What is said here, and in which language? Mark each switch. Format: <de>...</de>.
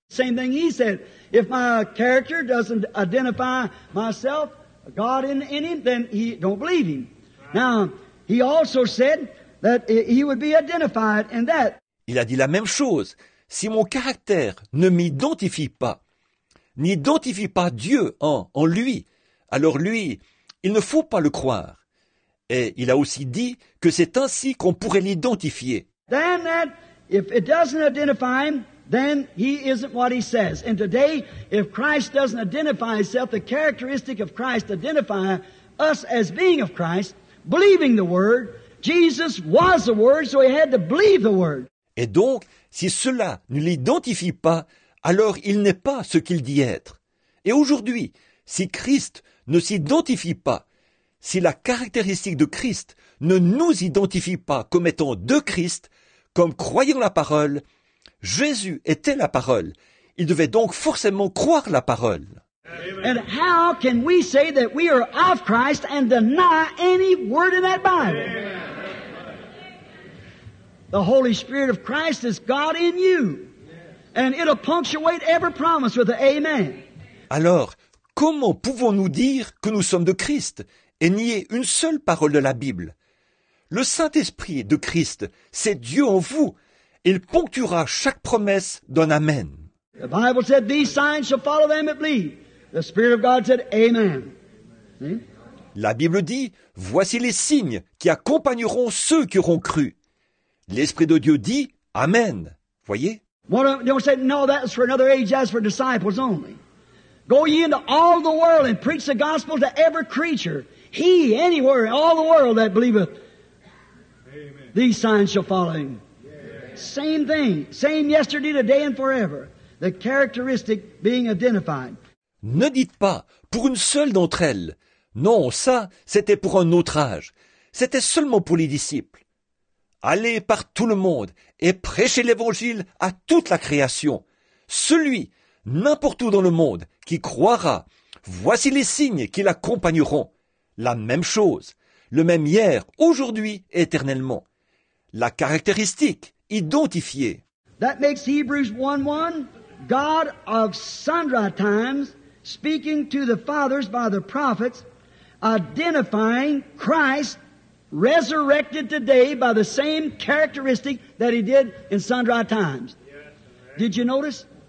<en>Same thing he said, if my character doesn't identify myself, God in him, then he don't believe him. Now, he also said that he would be identified in that.</en> <fr>Il a dit la même chose. Si mon caractère ne m'identifie pas, n'identifie pas Dieu en lui, alors lui, il ne faut pas le croire. Et il a aussi dit que c'est ainsi qu'on pourrait l'identifier.</fr> <en>Then that, if it doesn't identify him, then he isn't what he says. And today, if Christ doesn't identify himself, the characteristic of Christ identify us as being of Christ, believing the Word, Jesus was the Word, so he had to believe the Word.</en> <fr>Et donc, si cela ne l'identifie pas, alors il n'est pas ce qu'il dit être. Et aujourd'hui, si Christ ne s'identifie pas, si la caractéristique de Christ ne nous identifie pas comme étant de Christ, comme croyant la parole, Jésus était la parole. Il devait donc forcément croire la parole.</fr> <en>And how can we say that we are of Christ and deny any word in that Bible? The Holy Spirit of Christ is God in you. And it'll punctuate every promise with an amen.</en> <fr>Alors, comment pouvons-nous dire que nous sommes de Christ et nier une seule parole de la Bible? Le Saint-Esprit de Christ, c'est Dieu en vous. Il ponctuera chaque promesse d'un amen.</fr> <en>The Bible said, these signs shall follow them that believe. The Spirit of God said, amen.</en> <fr>La Bible dit, voici les signes qui accompagneront ceux qui auront cru. L'Esprit de Dieu dit, amen. Voyez?</fr> <en>Don't say, no, that's for another age, that's for disciples only. Go ye into all the world and preach the gospel to every creature. He, anywhere, all the world that believeth. Amen. These signs shall follow him. Yeah. Same thing, same yesterday, today and forever. The characteristic being identified.</en> <fr>Ne dites pas pour une seule d'entre elles. Non, ça, c'était pour un autre âge. C'était seulement pour les disciples. Allez par tout le monde et prêchez l'évangile à toute la création. Celui, n'importe où dans le monde, qui croira, voici les signes qui l'accompagneront. La même chose, le même hier, aujourd'hui, éternellement. La caractéristique identifiée.</fr> <en>That makes Hebrews 1:1, God of sundry times, speaking to the fathers by the prophets, identifying Christ resurrected today by the same characteristic that he did in sundry times. Did you notice?</en>